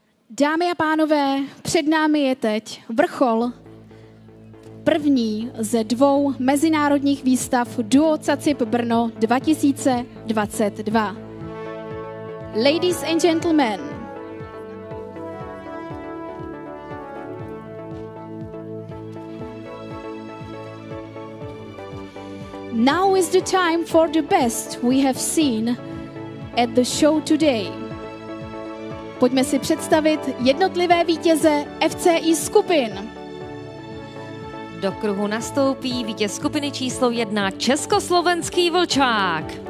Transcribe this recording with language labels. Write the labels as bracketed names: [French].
[Czech] Dámy a pánové, před námi je teď vrchol, první ze 2 mezinárodních výstav Duo Cacip Brno 2022. [English] Ladies and gentlemen, now is the time for the best we have seen at the show today. [Czech] Pojďme si představit jednotlivé vítěze FCI skupin. Do kruhu nastoupí vítěz skupiny číslo 1 československý vlčák.